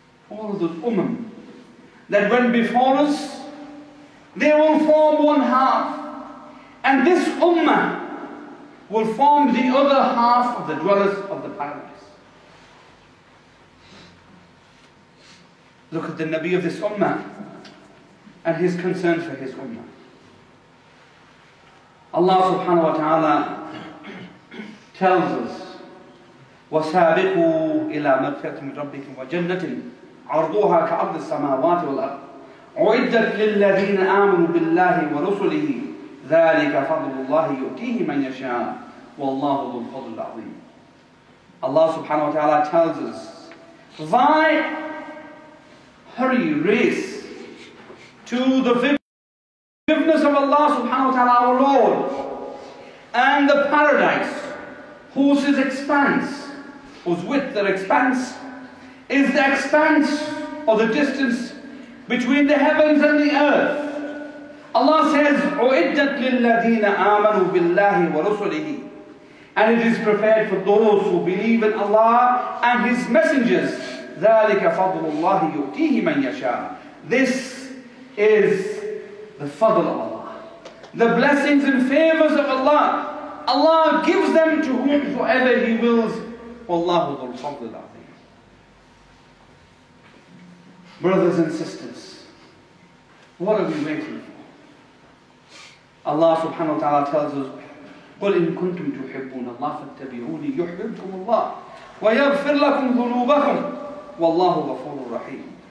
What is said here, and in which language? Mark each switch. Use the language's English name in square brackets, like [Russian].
[English] All of those ummah that went before us, they will form one half. And this ummah will form the other half of the dwellers of the paradise. Look at the Nabi of this ummah and his concern for his ummah. Allah subhanahu wa ta'ala tells us, [Arabic] وَسَابِقُوا إِلَىٰ مَغْفِرَةٍ مِنْ رَبِّكُمْ وَجَنَّةٍ عَرْضُوهَا كَعَرْضِ السَّمَاوَاتِ وَالْأَرْضِ عُدَّتْ لِلَّذِينَ آمَنُوا بِاللَّهِ وَرُسُلِهِ ذَلِكَ فَضْلُ اللَّهِ يُؤْتِيهِ مَنْ يَشَاءُ وَاللَّهُ الْفَضْلُ الْعَظِيمُ. [English] Allah subhanahu wa ta'ala tells us, Why hurry race to the forgiveness of Allah subhanahu wa ta'ala, our Lord, and the paradise whose expanse, whose width or expanse, is the expanse or the distance between the heavens and the earth. Allah says, [Arabic] "U'iddat lil-ladina amanu billahi wa rusulihi," [English] and it is prepared for those who believe in Allah and His messengers. [Arabic] ذَلِكَ فَضْلُ اللَّهِ يُؤْتِيهِ مَنْ يَشَاءُ. [English] This is the fadl of Allah. The blessings and favors of Allah. Allah gives them to whomsoever He wills. [Arabic] Wallahu dhul fadl al-azim. [English] Brothers and sisters, what are we waiting for? Allah subhanahu wa ta'ala tells us, [Arabic] قُلْ إِن كُنْتُمْ تُحِبُّونَ اللَّهَ فَاتَّبِعُونِي يُحْبِبْكُمُ اللَّهَ وَيَغْفِرْ لَكُمْ ذُنُوبَكُمْ وَاللَّهُ غَفُورٌ رَحِيمٌ.